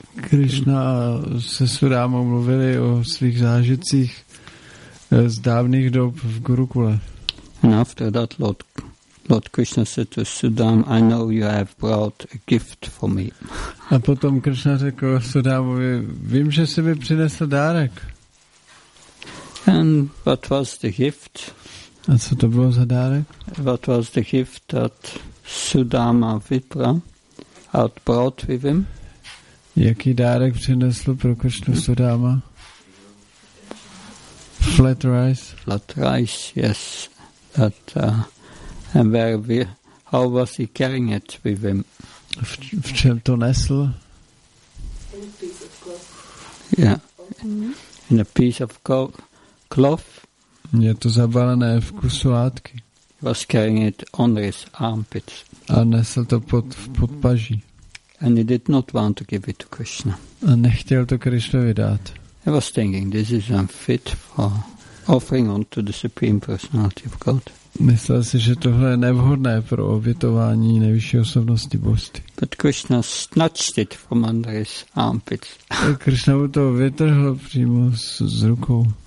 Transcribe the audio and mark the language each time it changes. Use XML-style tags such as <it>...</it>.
<cs>Krishna se Sudamou mluvili o svých zážitcích z dávných dob v Gurukule.</cs> <en>And after that, Lord Krishna said to Sudam, I know you have brought a gift for me.</en> <cs>A potom Krishna řekl Sudamovi, vím, že jsi mi přinesl dárek.</cs> <en>And what was the gift?</en> <cs>A co to bylo za dárek?</cs> <en>What was the gift that Sudama Vipra had brought with him?</en> <cs>Jaký dárek přinesl pro Krishnu Sudama?</cs> <en>Flat rice. Flat rice, yes. That, and where we, how was he carrying it with him?</en> <cs>V čem to nesl?</cs> <en>Yeah. In a piece of cloth. Cloth.</en> <cs>Je to zabalené v kusu látky.</cs> <en>Was carrying it under his armpits.</en> <cs>A nesl to pod paží.</cs> <en>And he did not want to give it to Krishna.</en> <cs>A nechtěl to Krishnovi dát.</cs> <en>He was thinking, this is unfit for offering unto the Supreme Personality of God.</en> <cs>Myslel si, že tohle je nevhodné pro obětování nejvyšší osobnosti božství.</cs> <en>But Krishna snatched it from under his armpits.</en> <cs>A Krishna mu to vytrhl přímo z rukou.</cs>